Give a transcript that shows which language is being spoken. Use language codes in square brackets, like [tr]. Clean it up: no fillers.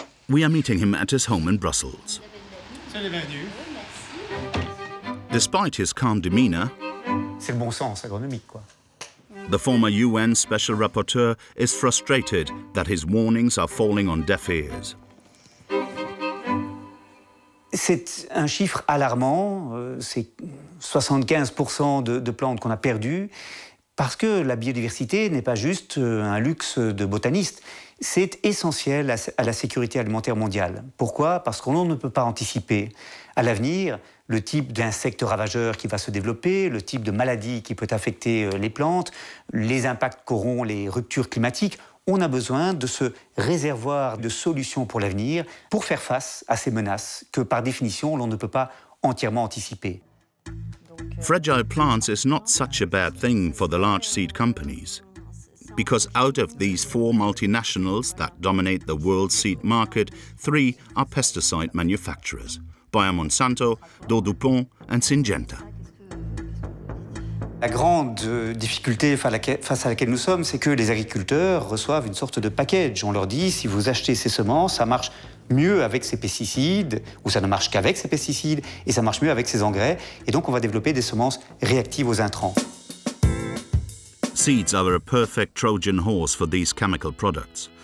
[en] We are meeting him at his home in Brussels. Despite his calm demeanor, [fr] c'est le bon sens agronomique, quoi. [en] The former UN Special Rapporteur is frustrated that his warnings are falling on deaf ears. [fr] C'est un chiffre alarmant, c'est 75% de plantes qu'on a perdues, parce que la biodiversité n'est pas juste un luxe de botaniste, c'est essentiel à la sécurité alimentaire mondiale. Pourquoi ? Parce qu'on ne peut pas anticiper à l'avenir le type d'insecte ravageur qui va se développer, le type de maladie qui peut affecter les plantes, les impacts qu'auront les ruptures climatiques. On a besoin de ce réservoir de solutions pour l'avenir pour faire face à ces menaces que, par définition, l'on ne peut pas entièrement anticiper. [en] Fragile plants is not such a bad thing for the large seed companies. Because out of these four multinationals that dominate the world seed market, three are pesticide manufacturers, Bayer Monsanto, Dow-Dupont and Syngenta. [fr] La grande difficulté face à laquelle nous sommes, c'est que les agriculteurs reçoivent une sorte de package. On leur dit, si vous achetez ces semences, ça marche mieux avec ces pesticides, ou ça ne marche qu'avec ces pesticides, et ça marche mieux avec ces engrais. Et donc, on va développer des semences réactives aux intrants. [en] Seeds are a perfect Trojan horse for these chemical products.